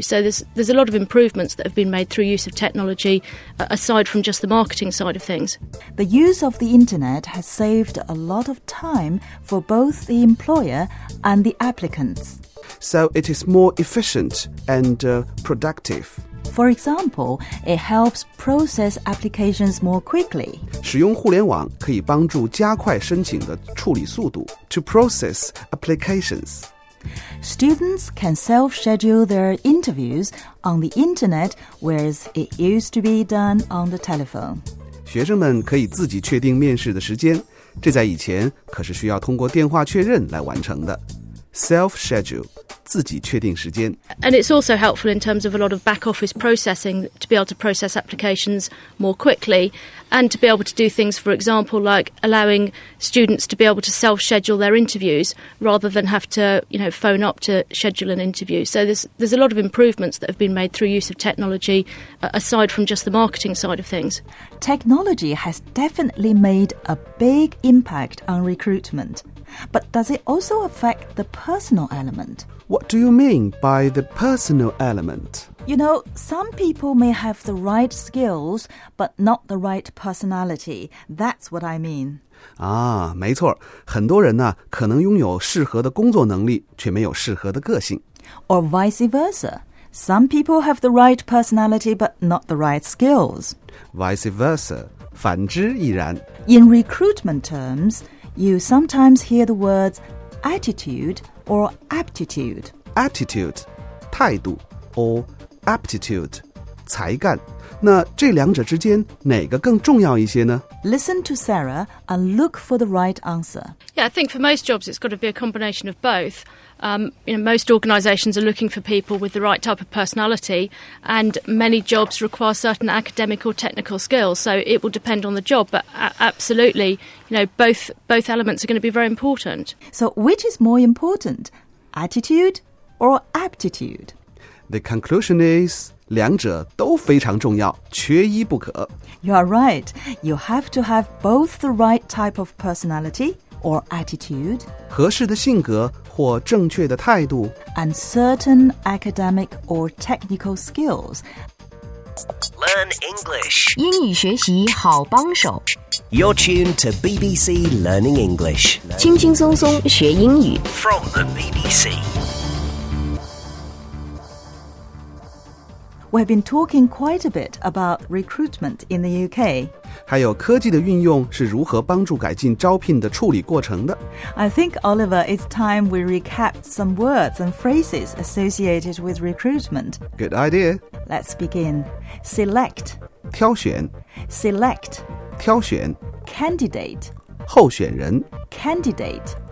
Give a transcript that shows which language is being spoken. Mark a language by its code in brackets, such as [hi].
[en] So there's a lot of improvements that have been made through use of technology, aside from just the marketing side of things. The use of the internet has saved a lot of time for both the employer and the applicants. So it is more efficient and productive. For example, it helps process applications more quickly. [zh] 使用互联网可以帮助加快申请的处理速度。 [en] To process applications. Students can self-schedule their interviews on the internet, whereas it used to be done on the telephone. [zh] 学生们可以自己确定面试的时间，这在以前可是需要通过电话确认来完成的。 [en] Self-schedule. [zh] 自己确定时间。 [en] And it's also helpful in terms of a lot of back office processing to be able to process applications more quickly and to be able to do things, for example, like allowing students to be able to self-schedule their interviews rather than have to, you know, phone up to schedule an interview. So there's a lot of improvements that have been made through use of technology, aside from just the marketing side of things. Technology has definitely made a big impact on recruitment. But does it also affect the personal element? What do you mean by the personal element? You know, some people may have the right skills, but not the right personality. That's what I mean. [zh] 啊，没错，很多人呢，可能拥有适合的工作能力，却没有适合的个性。 [en] Or vice versa. Some people have the right personality, but not the right skills. Vice versa. [zh] 反之亦然。 [en] In recruitment terms... You sometimes hear the words attitude or aptitude. Attitude, 态度 or aptitude, 才干。 [zh] 那这两者之间哪个更重要一些呢？ [en] Listen to Sarah and look for the right answer. Yeah, I think for most jobs it's got to be a combination of both. You know, most organisations are looking for people with the right type of personality and many jobs require certain academic or technical skills, so it will depend on the job, but absolutely, you know, both elements are going to be very important. So which is more important, attitude or aptitude? The conclusion is... [zh] 两者都非常重要，缺一不可。 [en] You are right. You have to have both the right type of personality or attitude, [zh] 合适的性格或正确的态度 [en] and certain academic or technical skills. Learn English. [zh] 英语学习好帮手。 [en] You're tuned to BBC Learning English. [zh] 轻轻松松学英语。 [en] From the BBC. We've been talking quite a bit about recruitment in the UK. [zh] 还有科技的运用是如何帮助改进招聘的处理过程的。 [en] I think, Oliver, it's time we recap some words and phrases associated with recruitment. Good idea. Let's begin. Select. [zh] 挑选 [en] Select. [zh] 挑选 [en] Candidate [zh] 候选人 [en] Candidate